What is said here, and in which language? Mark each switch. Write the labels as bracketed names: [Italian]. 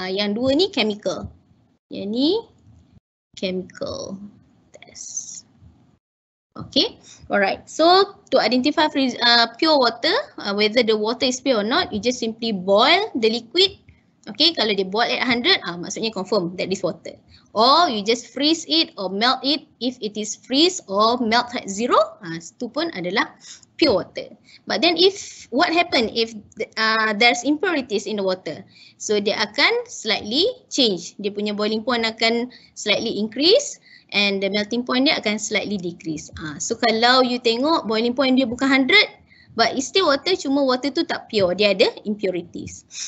[Malay] Yang dua ni chemical. Yang ni chemical test. [English] Okay, alright. So to identify pure water, whether the water is pure or not, you just simply boil the liquid. Okay, [Malay] kalau dia [English] boil at 100, maksudnya confirm that is water. Or you just freeze it or melt it. If it is freeze or melt at 0, [Malay] itu pun adalah [English] pure water. But then if what happen if there's impurities in the water? So dia akan slightly change. [Malay] Dia punya [English] boiling point akan slightly increase. And the melting point [Malay] dia akan [English] slightly decrease. So kalau you tengok boiling point dia bukan 100, but it's still water, cuma water [Malay] tu tak [English] pure, [Malay] dia ada [English] impurities.